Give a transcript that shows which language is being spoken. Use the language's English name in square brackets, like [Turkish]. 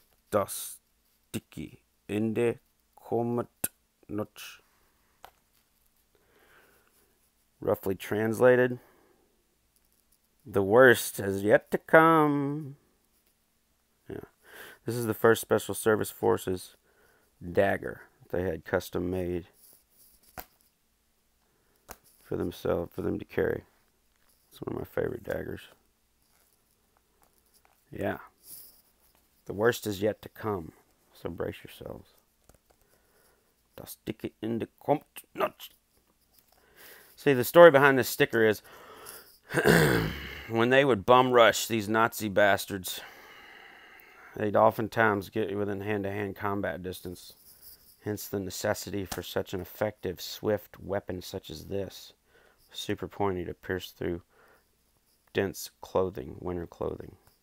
[German] Das Dicke Ende kommt noch. [English] Roughly translated, the worst has yet to come. Yeah. This is the first Special Service Forces dagger they had custom made for themselves, for them to carry. It's one of my favorite daggers. Yeah. The worst is yet to come, so brace yourselves. [German] Das Dicke Ende kommt noch. [English] See, the story behind this sticker is when they would bum rush these Nazi bastards, they'd oftentimes get within hand-to-hand combat distance, hence the necessity for such an effective, swift weapon such as this, super pointy to pierce through dense clothing, winter clothing.